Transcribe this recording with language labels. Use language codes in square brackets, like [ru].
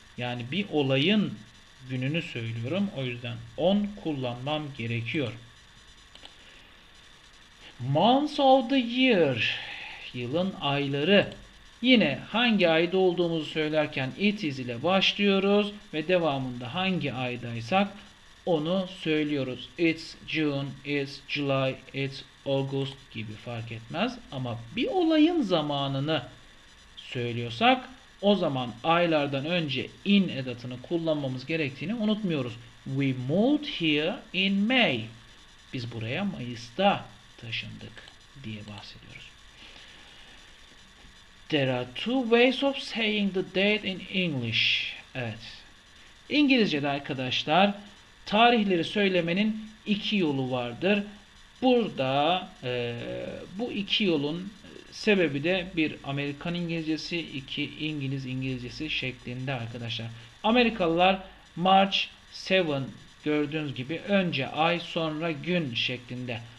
[tr] Yani bir olayın gününü söylüyorum. O yüzden on kullanmam gerekiyor. [en] Months of the year. [tr] Yılın ayları. Yine hangi ayda olduğumuzu söylerken it is ile başlıyoruz ve devamında hangi aydaysak onu söylüyoruz. [en] It's June, it's July, it's August [tr] gibi fark etmez. Ama bir olayın zamanını söylüyorsak o zaman aylardan önce in edatını kullanmamız gerektiğini unutmuyoruz. [en] We moved here in May. [tr] Biz buraya Mayıs'ta taşındık diye bahsediyoruz. [en] There are two ways of saying the date in English. [tr] Evet. İngilizce'de arkadaşlar tarihleri söylemenin iki yolu vardır. Burada bu iki yolun sebebi de bir Amerikan İngilizcesi, iki İngiliz İngilizcesi şeklinde arkadaşlar. Amerikalılar March 7 gördüğünüz gibi önce ay sonra gün şeklinde.